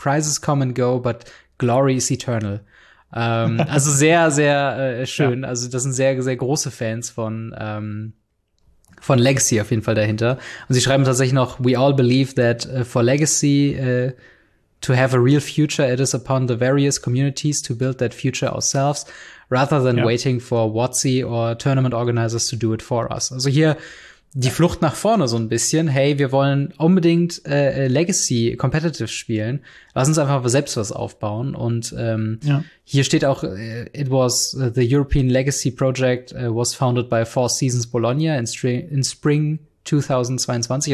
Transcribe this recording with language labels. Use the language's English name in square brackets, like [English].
[English] Prizes come and go, but glory is eternal. [German] Also sehr, sehr schön. Ja. Also das sind sehr, sehr große Fans von Legacy auf jeden Fall dahinter. Und sie schreiben tatsächlich noch: [English] We all believe that for Legacy to have a real future, it is upon the various communities to build that future ourselves, rather than waiting for WotC or tournament organizers to do it for us. [German] Also hier die Flucht nach vorne so ein bisschen. Hey, wir wollen unbedingt Legacy competitive spielen. Lass uns einfach selbst was aufbauen. Und hier steht auch: [English] It was the European Legacy Project was founded by Four Seasons Bologna in Spring 2022.